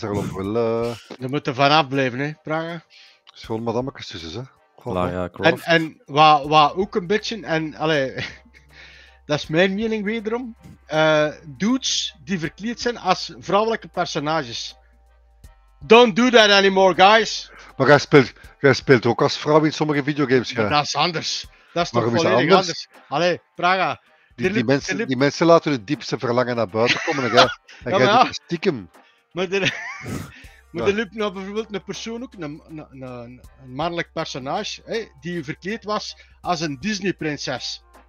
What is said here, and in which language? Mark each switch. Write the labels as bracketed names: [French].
[Dutch] Daar lopen wel... Je moet er vanaf blijven, hè, Praga. Dat is gewoon madammekes tussen, hè. Lara Croft. En wat ook een beetje... En, allee... Dat is mijn mening wederom. Dudes die verkleed zijn als vrouwelijke personages. [English] Don't do that anymore, guys. [Dutch] Maar jij speelt ook als vrouw in sommige videogames. Ja. Dat is anders. Dat is maar toch volledig anders? Allee, Praga. Die mensen laten hun diepste verlangen naar buiten komen. En jij doet het stiekem. Maar er liep nou bijvoorbeeld een persoon ook, een mannelijk personage, die verkleed was als een Disney-prinses.